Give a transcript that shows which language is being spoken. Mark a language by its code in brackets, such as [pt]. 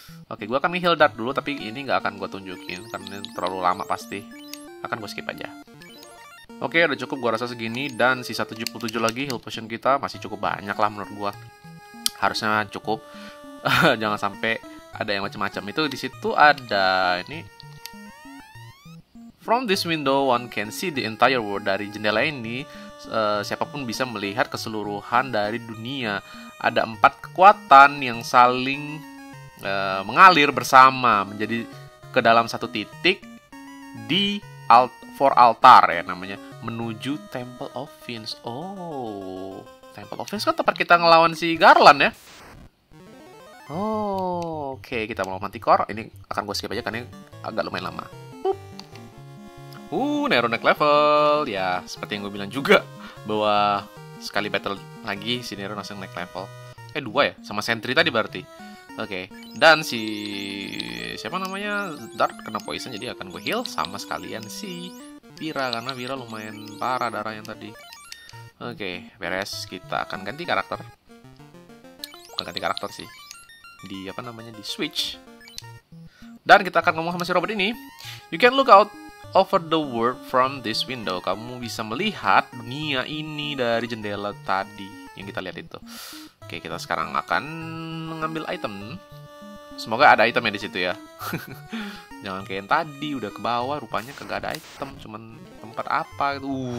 [id] Oke, gue akan nge-heal Dart dulu, tapi ini nggak akan gue tunjukin, karena ini terlalu lama pasti. Akan gue skip aja. Oke, udah cukup gue rasa segini, dan sisa 77 lagi heal potion kita, masih cukup banyak lah menurut gue. Harusnya cukup, jangan sampai ada yang macam-macam. Itu di situ ada, ini... [en] From this window, one can see the entire world. [id] Dari jendela ini, siapapun bisa melihat keseluruhan dari dunia. Ada 4 kekuatan yang saling mengalir bersama menjadi ke dalam satu titik di for altar ya namanya, menuju Temple of Fiends. Oh, Temple of Fiends kan tempat kita ngelawan si Garland ya. Oke, kita mau Manticore. Ini akan gue skip aja karena agak lumayan lama. Nero naik level. Ya, seperti yang gue bilang juga bahwa sekali battle lagi si Nero langsung naik level. 2 ya, sama Sentry tadi berarti. Oke. Dan si siapa namanya? Dart kena poison, jadi akan gue heal sama sekalian si Vira, karena Vira lumayan parah darah yang tadi. Oke, beres. Kita akan ganti karakter. Bukan ganti karakter sih. Di apa namanya? Di switch. Dan kita akan ngomong sama si robot ini. [en] You can look out over the world from this window. [id] Kamu bisa melihat dunia ini dari jendela tadi yang kita lihat itu. Oke, kita sekarang akan mengambil item. Semoga ada item ya di situ ya. Jangan kayak yang tadi udah ke bawah rupanya kagak ada item, cuman tempat apa gitu.